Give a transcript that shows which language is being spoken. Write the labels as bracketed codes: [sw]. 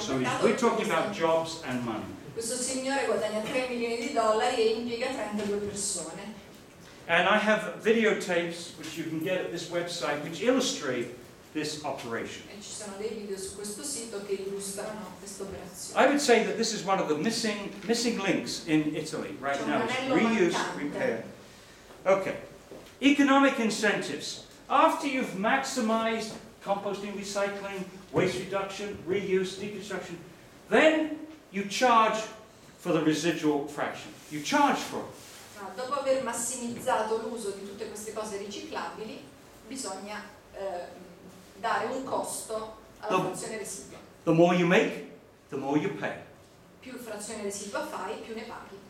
[en] So we're talking about jobs and money. [it] Questo signore guadagna 3 milioni di dollari e impiega 32 persone. [en] And I have videotapes which you can get at this website which illustrate this operation. [it] E ci sono dei video su questo sito che illustrano questa operazione. [en] I would say that this is one of the missing links in Italy right now. Reuse, repair. Okay. Economic incentives. After you've maximized composting, recycling, waste reduction, reuse, deconstruction, then you charge for the residual fraction. You charge for it. [it] Dopo aver massimizzato l'uso di tutte queste cose riciclabili, bisogna dare un costo alla frazione residua. [en] The more you make, the more you pay. [it] Più frazione residua fai, più ne paghi.